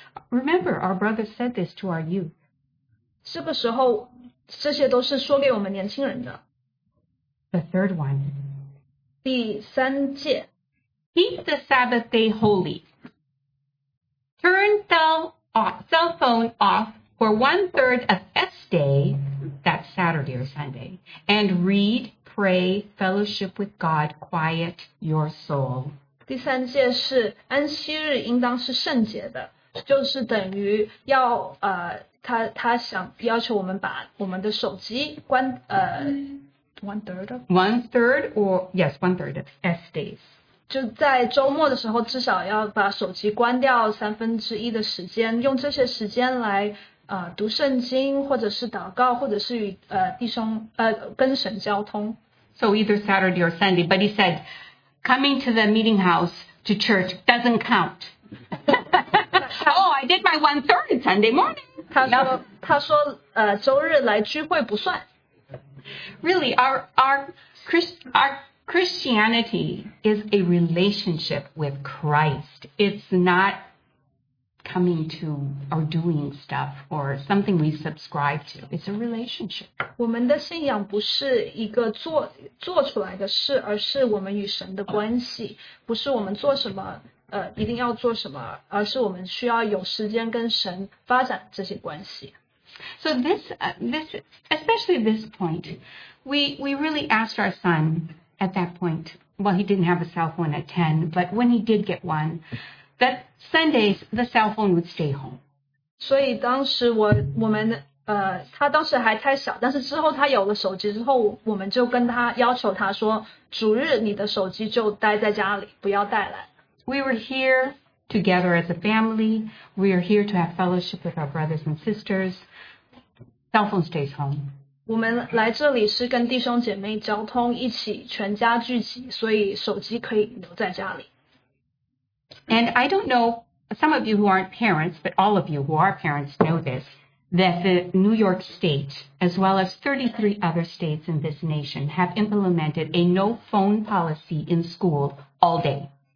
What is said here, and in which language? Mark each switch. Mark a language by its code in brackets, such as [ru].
[en] Remember, our brother said this to our youth. [zh] 这个时候，这些都是说给我们年轻人的。 [en] The third one. [zh] 第三戒。 [en] Keep the Sabbath day holy. Turn cell phone off for one-third of S day, that's Saturday or Sunday, and read, pray, fellowship with God, quiet your soul. [zh] 第三戒是安息日应当是圣洁的。就是等于要他想要求我们把我们的手机关 [en] one third of S days [zh] 就在周末的时候至少要把手机关掉三分之一的时间用这些时间来读圣经或者是祷告或者是与弟兄跟神交通 [en] So either Saturday or Sunday but he said coming to the meeting house to church doesn't count I did my one third Sunday morning. [zh] 他说周日来聚会不算。 [en] Really, our Christianity is a relationship with Christ. It's not coming to or doing stuff or something we subscribe to. It's a relationship. [zh] 我们的信仰不是一个做出来的事，而是我们与神的关系，不是我们做什么。一定要做什么，而是我们需要有时间跟神发展这些关系。 [en] So this, especially this point, we really asked our son at that point, well, he didn't have a cell phone at 10, but when he did get one, that Sundays, the cell phone would stay home. [zh] 所以当时我们他当时还太小，但是之后他有了手机之后，我们就跟他要求他说，主日你的手机就待在家里，不要带来。 [en] We were here together as a family. We are here to have fellowship with our brothers and sisters. Cell phone stays home. [zh] 我们来这里是跟弟兄姐妹交通，一起全家聚集，所以手机可以留在家里。 [en] And I don't know, some of you who aren't parents, but all of you who are parents know this, that the New York State, as well as 33 other states in this nation, have implemented a no phone policy in school all day.